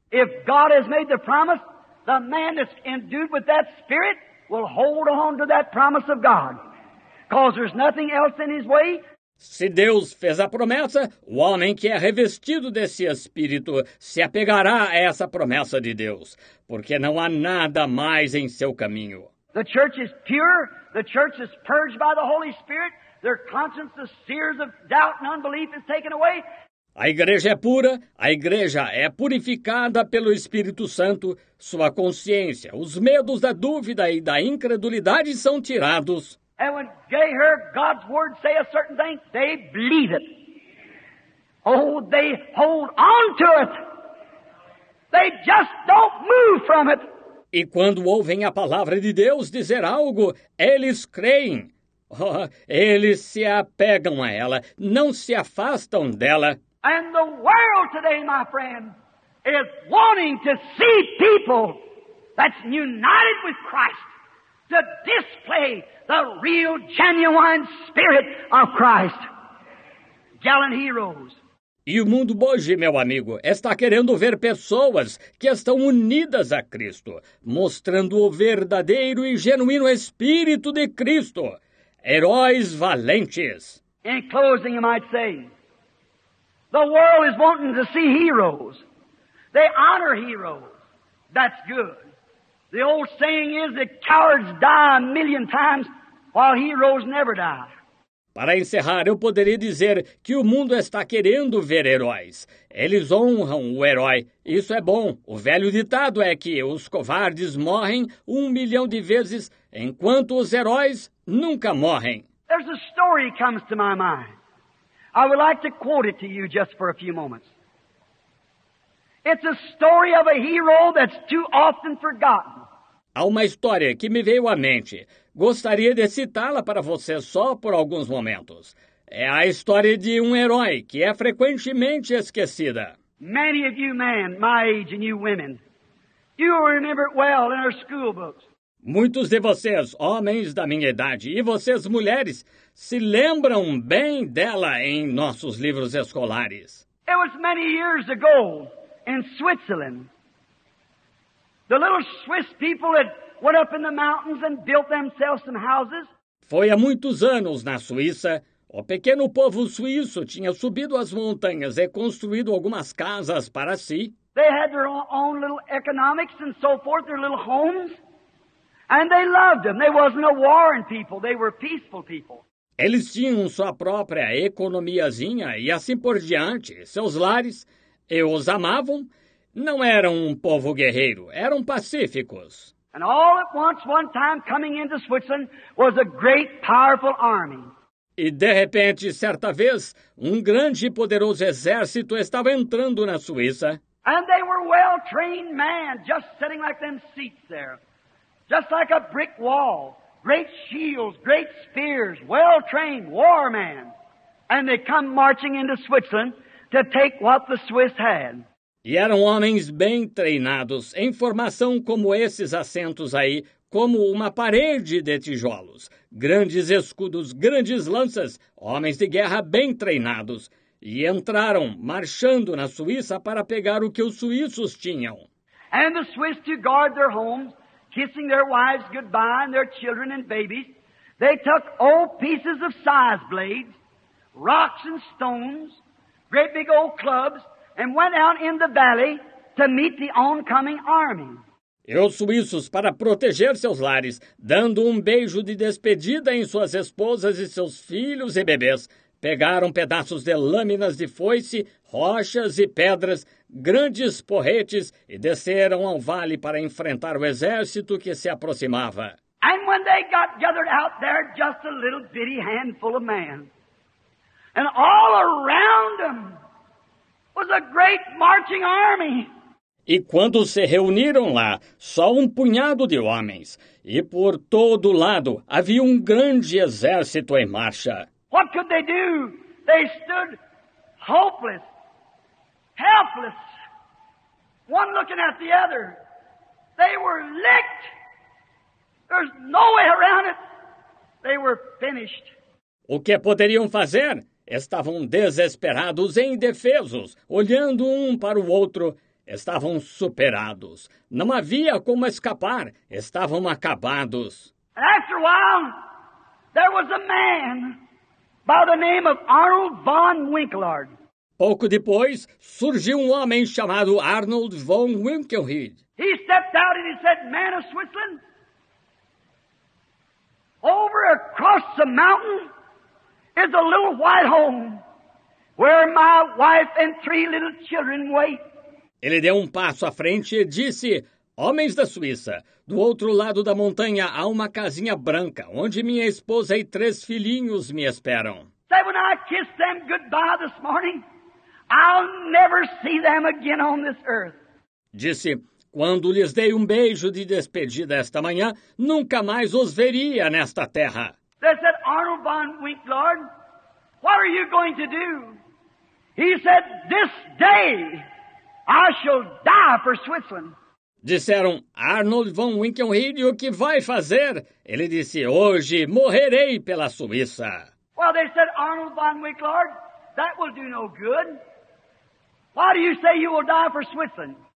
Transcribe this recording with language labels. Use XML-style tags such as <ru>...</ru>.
<en>If God has made the promise, the man that's endued with that spirit will hold on to that promise of God, because there's nothing else in his way.</en> <pt>Se Deus fez a promessa, o homem que é revestido desse Espírito se apegará a essa promessa de Deus, porque não há nada mais em seu caminho.</pt> <en>The church is pure. The church is purged by the Holy Spirit. Their conscience, the sears of doubt and unbelief, is taken away.</en> <pt>A igreja é pura, a igreja é purificada pelo Espírito Santo, sua consciência, os medos da dúvida e da incredulidade são tirados.</pt> <en>And when they hear God's word say a certain thing, they believe it. Oh, they hold on to it. They just don't move from it.</en> <pt>E quando ouvem a palavra de Deus dizer algo, eles creem. Oh, eles se apegam a ela, não se afastam dela.</pt> <en>And the world today, my friend, is wanting to see people that's united with Christ to display the real, genuine spirit of Christ. Gallant heroes.</en> <pt>E o mundo hoje, meu amigo, está querendo ver pessoas que estão unidas a Cristo, mostrando o verdadeiro e genuíno Espírito de Cristo. Heróis valentes.</pt> <en>In closing, you might say, the world is wanting to see heroes. They honor heroes. That's good. The old saying is that cowards die a million times while heroes never die.</en> <pt>Para encerrar, eu poderia dizer que o mundo está querendo ver heróis. Eles honram o herói. Isso é bom. O velho ditado é que os covardes morrem 1 milhão de vezes, enquanto os heróis nunca morrem.</pt> <en>There's a story that comes to my mind. I would like to quote it to you just for a few moments. It's a story of a hero that's too often forgotten.</en> <pt>Há uma história que me veio à mente. Gostaria de citá-la para você só por alguns momentos. É a história de um herói que é frequentemente esquecida.</pt> <en>Many of you men, my age and you women, you will remember it well in our school books.</en> <pt>Muitos de vocês, homens da minha idade, e vocês, mulheres, se lembram bem dela em nossos livros escolares.</pt> <en>It was many years ago in Switzerland. The little Swiss people had went up in the mountains and built themselves some houses.</en> <pt>Foi há muitos anos na Suíça. O pequeno povo suíço tinha subido as montanhas e construído algumas casas para si.</pt> <en>They had their own little economics and so forth, their little homes. And they loved them. They wasn't a warring people. They were peaceful people.</en> <pt>Eles tinham sua própria economiazinha e assim por diante, seus lares. E os amavam. Não eram um povo guerreiro. Eram pacíficos.</pt> <en>And all at once, one time, coming into Switzerland, was a great, powerful army.</en> <pt>E de repente, certa vez, um grande e poderoso exército estava entrando na Suíça.</pt> <en>And they were well-trained men, just sitting like them seats there. Just like a brick wall. Great shields, great spears, well-trained war men. And they come marching into Switzerland to take what the Swiss had.</en> <pt>E eram homens bem treinados, em formação como esses assentos aí, como uma parede de tijolos. Grandes escudos, grandes lanças, homens de guerra bem treinados. E entraram, marchando na Suíça para pegar o que os suíços tinham.</pt> <en>And the Swiss to guard their homes, kissing their wives goodbye and their children and babies, they took old pieces of scythe blades, rocks and stones, great big old clubs, and went out in the valley to meet the oncoming army.</en> <pt>E os suíços, para proteger seus lares, dando um beijo de despedida em suas esposas e seus filhos e bebês, pegaram pedaços de lâminas de foice, rochas e pedras, grandes porretes, e desceram ao vale para enfrentar o exército que se aproximava.</pt> <en>And when they got gathered out there, just a little bitty handful of men. And all around them was a great marching army.</en> <pt>E quando se reuniram lá, só um punhado de homens. E por todo lado havia um grande exército em marcha.</pt> <en>What could they do? They stood hopeless, helpless, one looking at the other. They were licked. There's no way around it. They were finished.</en> <pt>O que poderiam fazer? Estavam desesperados e indefesos, olhando um para o outro. Estavam superados. Não havia como escapar. Estavam acabados.</pt> <en>After a while, there was a man by the name of Arnold von Winkelried.</en> <pt>Pouco depois, surgiu um homem chamado Arnold von Winkelried.</pt> <en>He stepped out and he said, "Man of Switzerland, over across the mountain is a little white home where my wife and 3 little children wait."</en> <pt>Ele deu um passo à frente e disse, "Homens da Suíça, do outro lado da montanha há uma casinha branca onde minha esposa e 3 filhinhos me esperam."</pt> <en>"Say, when I kiss them goodbye this morning, I'll never see them again on this earth."</en> <pt>Disse, "Quando lhes dei um beijo de despedida esta manhã, nunca mais os veria nesta terra."</pt> <en>They said, "Arnold von Winkelried, what are you going to do?" He said, "This day I shall die for Switzerland."</en> <pt>Disseram, "Arnold von Winkelried, o que vai fazer?" Ele disse, "Hoje morrerei pela Suíça."</pt> <en>Well, they said, "Arnold von Winkelried, that will do no good. do you say you will die for Switzerland?</en>